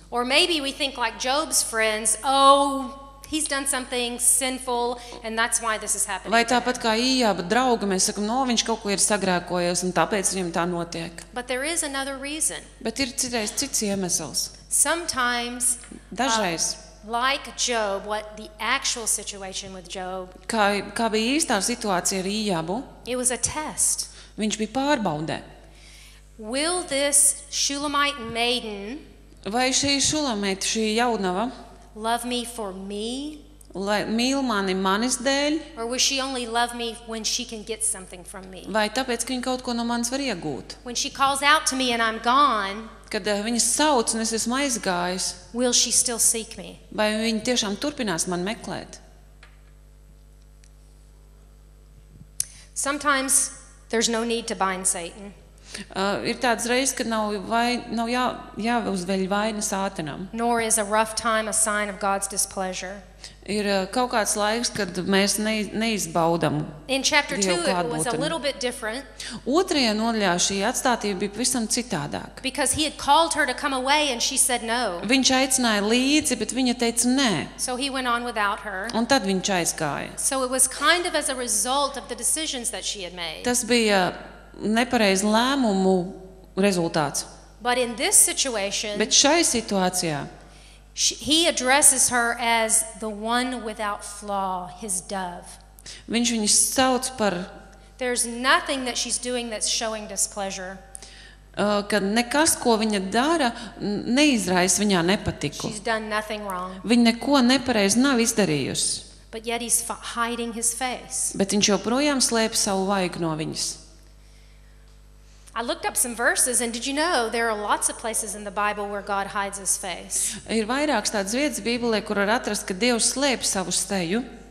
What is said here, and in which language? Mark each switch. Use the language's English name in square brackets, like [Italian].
[English] Or maybe we think like Job's friends, oh, he's done something sinful and that's why this is happening. [Latvian] Vai tāpat kā Ījāba draugi, mēs sakam, no, viņš kaut ko ir sagrēkojies un tāpēc viņam tā notiek. [English] But there is another reason. [Latvian] Bet ir citreiz cits iemesls. [English] Sometimes [Latvian] dažreiz [English] like Job, what the actual situation with Job? [Latvian] Kā bija īstā situācija ar Ījābu? [English] It was a test. [Latvian] Viņš bija pārbaudē. [English] Will this Shulamite maiden? [Latvian] Vai šī Shulamite, šī jaunava? [English] Love me for me? [Latvian] Lai mīl mani manis dēļ? [English] Or will she only love me when she can get something from me? [Latvian] Vai tāpēc, ka viņa kaut ko no manis var iegūt? [English] When she calls out to me and I'm gone? [Latvian] Kad viņa sauc un es esmu aizgājis. [English] Will she still seek me? [Latvian] Vai viņa tiešām turpinās man meklēt? [English] Sometimes there's no need to bind Satan. [Latvian] Ir tāds reizes, kad nav jāuzveļ vaina Sātanam. [English] Nor is a rough time a sign of God's displeasure. [Latvian] Ir kaut kāds laiks, kad mēs neizbaudam. [English] In chapter 2 it was a little bit different. [Latvian] Otrajā nodaļā šī atstātība bija pavisam citādāk. [English] Because he had called her to come away and she said no. [Latvian] Viņš aicināja līdzi, bet viņa teica nē. [English] So he went on without her. [Latvian] Un tad viņš aizgāja. [English] So it was kind of as a result of the decisions that she had made. [Latvian] Tas bija nepareizi lēmumu rezultāts. [English] But in this situation, [Latvian] bet šai situācijā [English] he addresses her as the one without flaw, his dove. [Latvian] Viņš viņu sauc par [English] There's nothing that she's doing that's showing displeasure. [Latvian] Kad nekas, ko viņa dara, neizraisa viņā nepatiku. [English] She's done nothing wrong. [Latvian] Viņa neko nepareizi nav izdarījusi. [English] But yet he's hiding his face. [Latvian] Bet viņš joprojām slēp savu vaigu no viņas. [English] I looked up some verses and did you know there are lots of places in the Bible where God hides his face. [Latvian] Ir vairākas tādas vietas Bībelē, kur var atrast, ka Dievs slēp savu steju.